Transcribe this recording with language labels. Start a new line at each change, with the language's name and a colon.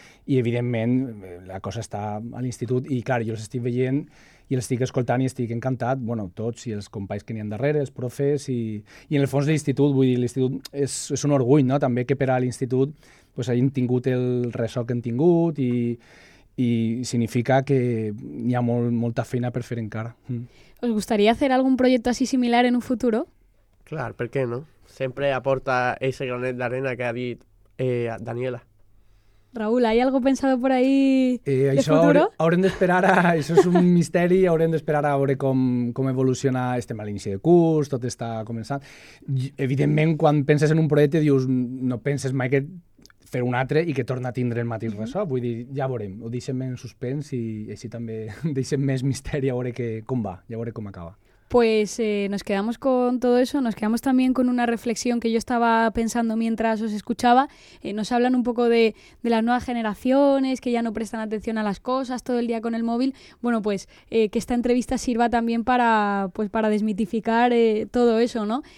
Catalan: I, evidentment, la cosa està a l'institut i, clar, jo els estic veient i els estic escoltant i estic encantat, bueno, tots i els companys que n'hi ha darrere, els profes i en el fons l'institut, vull dir, l'institut és un orgull, no?, també que per a l'institut pues, hagin tingut el ressò que han tingut i significa que n'hi ha molta feina per fer encara.
Spanish: ¿Os gustaría hacer algún proyecto así similar en un futuro?
Catalan: Clar, per què no? Sempre aporta ese granet d'arena que ha dit Daniela.
Spanish: Raúl, ¿hay algo pensado por ahí
Catalan: això
Spanish: de futuro?
Catalan: Haurem d'esperar, això és un misteri, haurem d'esperar a veure com evoluciona, estem a l'inici de curs, tot està començant. Evidentment, quan penses en un projecte, dius, no penses mai que fer un altre i que torna a tindre el mateix ressò. Vull dir, ja veurem, ho deixem en suspens i així també deixem més misteri a veure com va, ja veure com acaba.
Spanish: Pues nos quedamos con todo eso, nos quedamos también con una reflexión que yo estaba pensando mientras os escuchaba. Nos hablan un poco de las nuevas generaciones, que ya no prestan atención a las cosas, todo el día con el móvil. Bueno, pues que esta entrevista sirva también para desmitificar todo eso, ¿no?